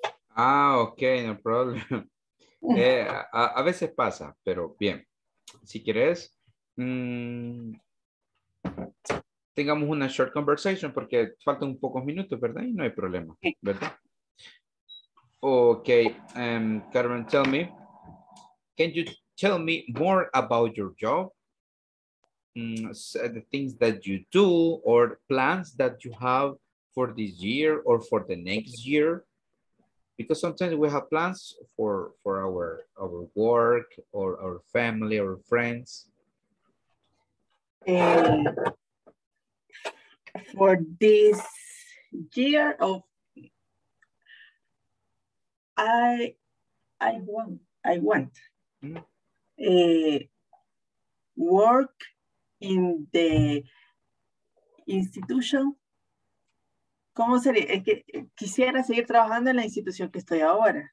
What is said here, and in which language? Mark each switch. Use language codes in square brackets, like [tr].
[en] Ah, ok, no problem. [es] A veces pasa, pero bien, si quieres, tengamos una [en] short conversation [es] porque faltan un pocos minutos, ¿verdad? Y no hay problema, ¿verdad? [en] Ok, Carmen, tell me, can you tell me more about your job? The things that you do or plans that you have for this year or for the next year? Because sometimes we have plans for our work or our family or friends. For this year, of I want work in the institution. [es] ¿Cómo sería? Es que quisiera seguir trabajando en la institución que estoy ahora.